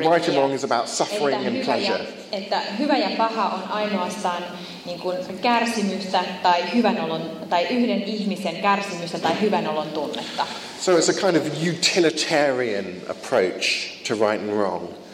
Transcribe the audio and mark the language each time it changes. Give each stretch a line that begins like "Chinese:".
English: Yeah, right and wrong is about suffering and pleasure.
Finnish: Että hyvä ja paha on ainoastaan niin kuin kärsimystä tai hyvän olon tai yhden ihmisen kärsimystä tai hyvän olon tunnetta.
English: So it's a kind of utilitarian approach to right and wrong.